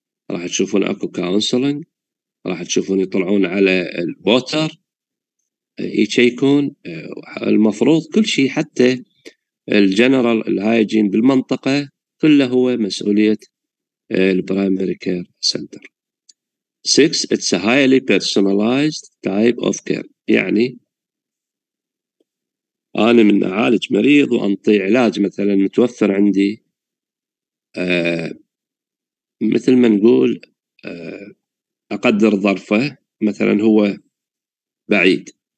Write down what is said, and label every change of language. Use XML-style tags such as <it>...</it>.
<ar>راح تشوفون أكو counseling. راح تشوفون يطلعون على البوتر. يشيكون. المفروض كل شيء حتى الجنرال الهايجين بالمنطقة. كله هو مسؤولية الـ primary care center.</ar> <en>Six, it's a highly personalized type of care.</en> <ar>يعني أنا من أعالج مريض وأنطي علاج مثلا متوفر عندي مثل ما نقول أقدر ظرفه مثلا هو بعيد</ar>